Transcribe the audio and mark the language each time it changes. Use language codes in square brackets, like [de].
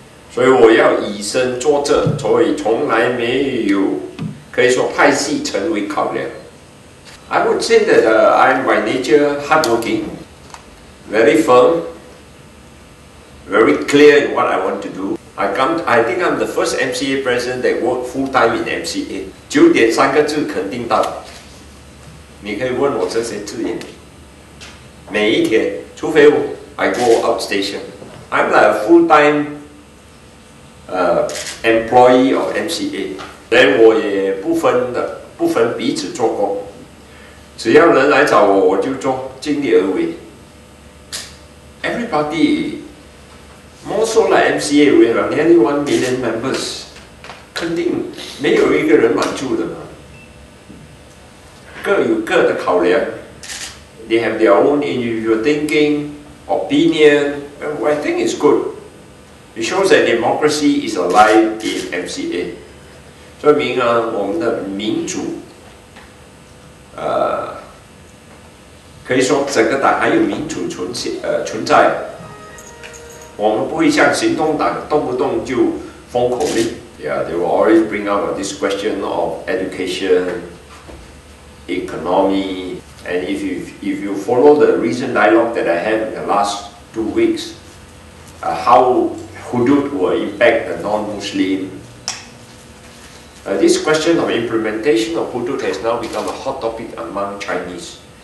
[zh] 所以我要以身作则，所以从来没有可以说派系成为考量。 [en] I would say that I'm by nature hardworking, very firm, very clear in what I want to do. I think I'm the first MCA president that worked full time in MCA. [zh] 九点三个字肯定到，你可以问我这些字眼。每一天，除非我 [en] I go outstation, I'm like a full time. Employee of MCA, then [zh] 我也不分彼此做工，只要人来找我，我就做，尽力而为。 [en] Everybody, more so like MCA, we have nearly 1 million members, [zh] 肯定没有一个人满足的嘛。各有各的考量 [en] ，they have their own individual thinking, opinion. I think it's good. It shows that democracy is alive in MCA. [zh] 所以明啊，我们的民主，可以说整个党还有民主存在。我们不会像行动党动不动就封口令。 [en] Yeah, they will always bring up this question of education, economy, and if you follow the recent dialogue that I had in the last 2 weeks, how. Hudud will impact the non-Muslim. This question of implementation of Hudud has now become a hot topic among Chinese.